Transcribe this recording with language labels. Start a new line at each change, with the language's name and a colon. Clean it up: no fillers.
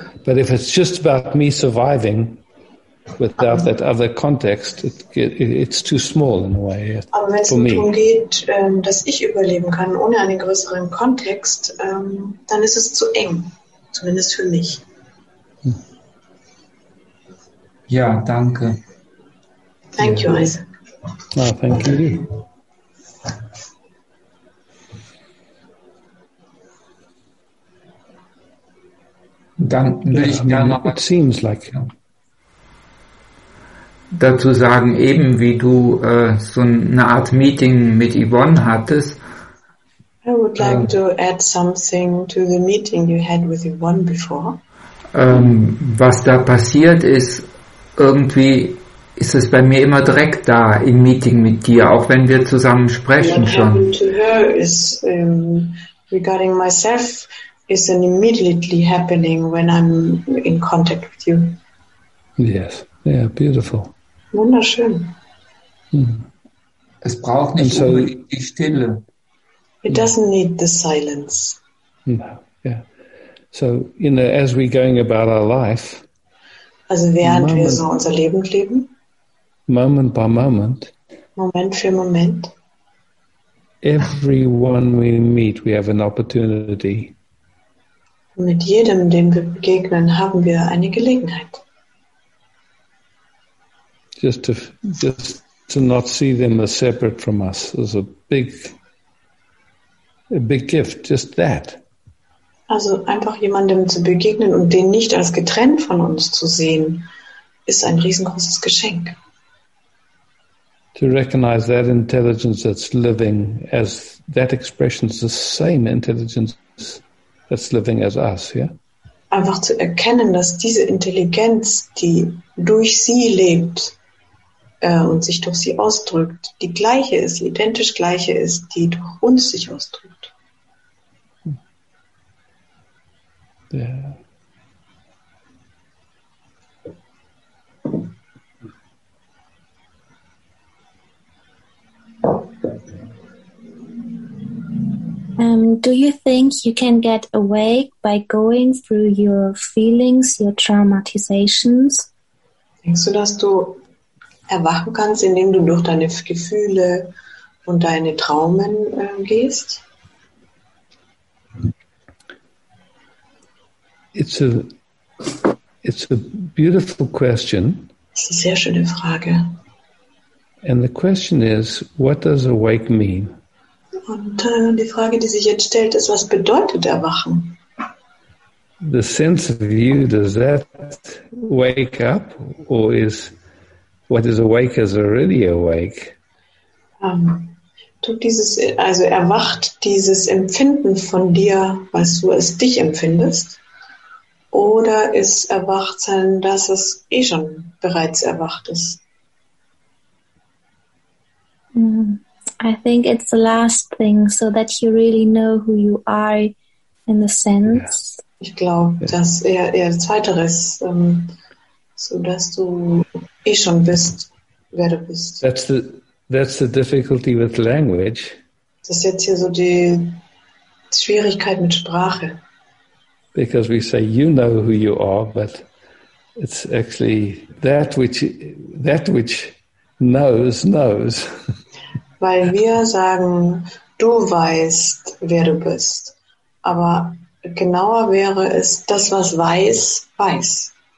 English: But if it's just about me surviving without that other context, it's too small in a way.
German: Aber wenn es darum geht, dass ich überleben kann ohne einen größeren Kontext, dann ist es zu eng, zumindest für mich. Ja, danke.
English: Thank you, Isaac. No, thank you.
German: Dann will ich gerne noch.
English: It seems like. Yeah.
German: Dazu sagen, eben wie du so eine Art Meeting mit Yvonne hattest.
English: I would like to add something to the meeting you had with Yvonne before.
German: Was da passiert ist, irgendwie ist es bei mir immer direkt da im Meeting mit dir, auch wenn wir zusammen sprechen
English: what
German: schon.
English: What happened to her is regarding myself is an immediately happening when I'm in contact with you. Yes, yeah, beautiful.
German: Wunderschön. Es braucht nicht so die Stille.
English: It doesn't need the silence. No, yeah. So, you know, as we're going about our life,
German: also während moment, wir so unser Leben leben,
English: moment by moment,
German: Moment für Moment,
English: everyone we meet, we have an opportunity.
German: Mit jedem, dem wir begegnen, haben wir eine Gelegenheit.
English: Just to not see them as separate from us is a big gift, just that.
German: Also einfach jemandem zu begegnen und den nicht als getrennt von uns zu sehen, ist ein riesengroßes Geschenk.
English: To recognize that intelligence that's living as that expression is the same intelligence that's living as us, yeah?
German: Einfach zu erkennen, dass diese Intelligenz, die durch sie lebt, und sich durch sie ausdrückt, die gleiche ist, identisch gleiche ist, die durch uns sich ausdrückt.
English: Do you think you can get awake by going through your feelings, your traumatizations?
German: Denkst du, dass du erwachen kannst, indem du durch deine Gefühle und deine Traumen gehst?
English: It's a beautiful question.
German: Das ist eine sehr schöne Frage.
English: And the question is, what does awake mean?
German: Und die Frage, die sich jetzt stellt, ist, was bedeutet erwachen?
English: The sense of you, does that wake up or is what is awake is already awake?
German: Erwacht dieses Empfinden von dir, was du als dich empfindest? Oder ist Erwachtsein, dass es eh schon bereits erwacht ist?
English: I think it's the last thing, so that you really know who you are in the sense. Yeah.
German: Ich glaube, dass eher das Zweitere ist, so dass du eh schon bist, wer du bist.
English: That's the difficulty with language.
German: Das ist jetzt hier so die Schwierigkeit mit Sprache.
English: Because we say you know who you are, but it's actually that which knows.
German: Weil wir sagen, du weißt, wer du bist. Aber genauer wäre es, das, was weiß, weiß.